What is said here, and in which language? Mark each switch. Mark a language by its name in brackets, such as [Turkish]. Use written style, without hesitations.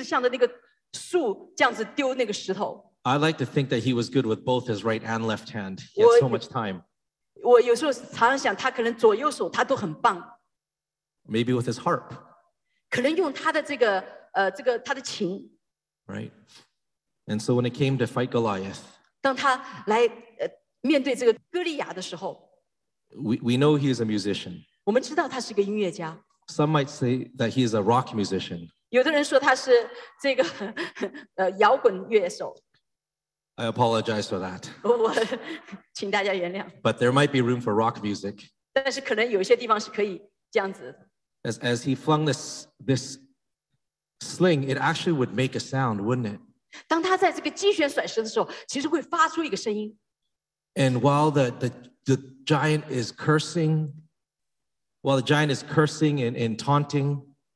[Chinese] 如果他有一些的时候，他就一直向着那个树这样子丢那个石头。 [English] I like to think that he was good with both his right and left hand. He had so much time. [Chinese] 我有时候常常想，他可能左右手他都很棒。 [English] Maybe with his harp. [Chinese] 可能用他的这个他的琴。 [English] Right, and so when it came to fight Goliath, [Chinese] 当他来面对这个哥利亚的时候, [English] we know he is a musician. Some might say that he is a rock musician. [Chinese] 有的人说他是这个摇滚乐手。 [English] I apologize for that. [Chinese] 我请大家原谅。 [English] But there might be room for rock music. [Chinese] 但是可能有些地方是可以这样子。 [English] As he flung this sling, it actually would make a sound, wouldn't it? [Chinese] 当他在这个击拳甩石的时候，其实会发出一个声音。 [English] And while the giant is cursing, while the giant is cursing and taunting,